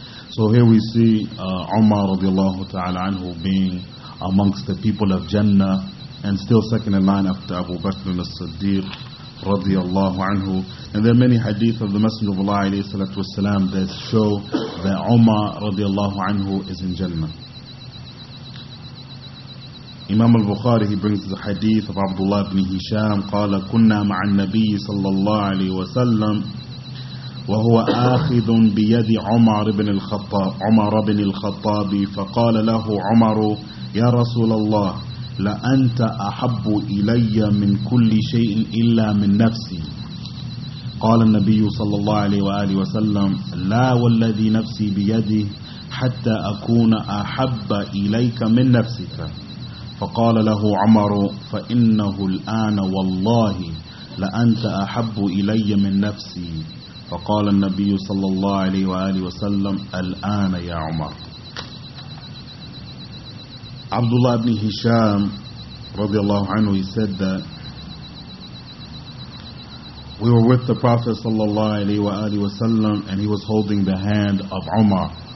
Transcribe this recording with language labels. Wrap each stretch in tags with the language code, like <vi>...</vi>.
<en>So here we see Umar radiallahu ta'ala anhu being amongst the people of Jannah, and still second in line after Abu Bakr as-Siddiq radiallahu anhu. And there are many hadith of the Messenger of Allah alayhi salatu wasalam that show that Umar radiallahu anhu is in Jannah. Imam al-Bukhari, he brings the hadith of Abdullah ibn Hisham,</en> <ar>qala kunna ma'an nabiyyi sallallahu alayhi wa sallam وهو آخذ بيد عمر بن الخطاب فقال له عمر يا رسول الله لأنت أحب إلي من كل شيء إلا من نفسي قال النبي صلى الله عليه وآله وسلم لا والذي نفسي بيده حتى أكون أحب إليك من نفسك فقال له عمر فإنه الآن والله لأنت أحب إلي من نفسي فقال النبي صلى الله عليه وآله وسلم الآن يا عمر.</ar> <en>Abdullah ibn Hisham radiallahu anhu, he said that we were with the Prophet صلى الله عليه وآله وسلم and he was holding the hand of Umar,</en>